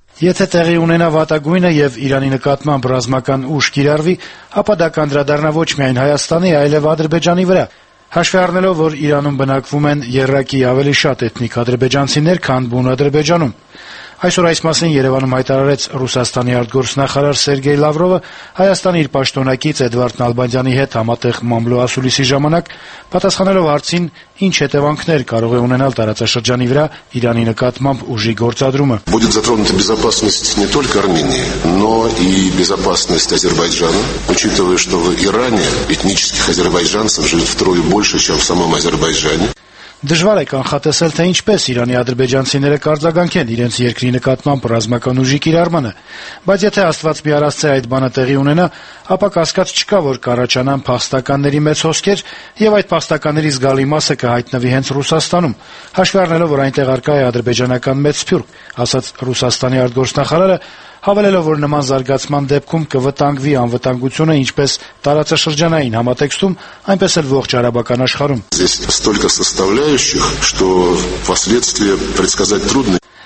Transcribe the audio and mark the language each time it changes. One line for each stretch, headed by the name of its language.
Armenian: Եթե տեղի ունենա վատագույնը և Իրանի նկատմամբ ռազմական ուժ կիրառվի, ապա դա կանդրադառնա ոչ միայն Հայաստանի, այլև Ադրբեջանի վրա։ Հաշվի առնելով, որ Իրանում բնակվում են երրակի ավելի շատ էթնիկ ադրբեջանցիներ, քան բուն Ադրբեջանում։ Այսօր այս մասին Երևանում հայտարարեց Ռուսաստանի արտգործնախարար Սերգեյ Լավրովը, Հայաստանի իր պաշտոնակից Էդվարդ Նալբանդյանի հետ համատեղ մամլո ասուլիսի ժամանակ, պատասխանելով հարցին, ինչ հետևանքներ կարող է ունենալ տարածաշրջանի վրա Իրանի նկատմամբ ուժի գործադրումը.
Russian: Будет затронута безопасность не только Армении, но и безопасность Азербайджана, учитывая, что в Иране этнических азербайджанцев живет втрое больше, чем в самом Азербайджане.
Armenian: Դժվար է կանխատեսել, թե ինչպես Իրանի ադրբեջանցիները կարձագանքեն իրենց երկրի նկատմամբ ռազմական ուժի կիրառմանը, բայց եթե Աստված մի արասցե այդ բանը տեղի ունենա, ապա կասկած չկա, որ կառաջանան փաստականների մեծ հոսքեր, և այդ փաստականների զգալի մասը կհայտնվի հենց Ռուսաստանում, հաշվի առնելով, որ այնտեղ առկա է ադրբեջանական մեծ սփյուռք, ասաց Ռուսաստանի արտգործնախարարը, հավելելով, որ նման զարգացման դեպքում կվտանգվի անվտանգությունը ինչպես տարածաշրջանային համատեքստում, այնպես էլ ողջ արաբական աշխարհում։